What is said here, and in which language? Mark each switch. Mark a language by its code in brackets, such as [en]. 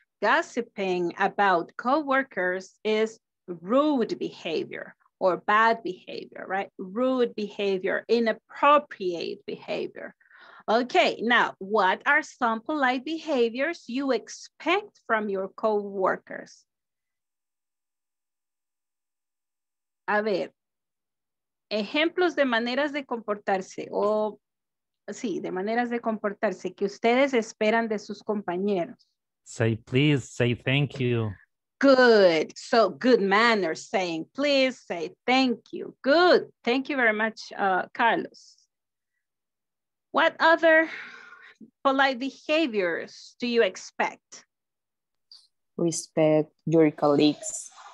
[en] Gossiping about coworkers is rude behavior or bad behavior, right? Rude behavior, inappropriate behavior. Okay, now, what are some polite behaviors you expect from your coworkers? [es] A ver. Ejemplos de maneras de comportarse o sí, de maneras de comportarse que ustedes esperan de sus compañeros. [en] Say please, say thank you. Good. So good manners, saying please, say thank you. Good. Thank you very much, Carlos. What other polite behaviors do you expect? Respect your colleagues.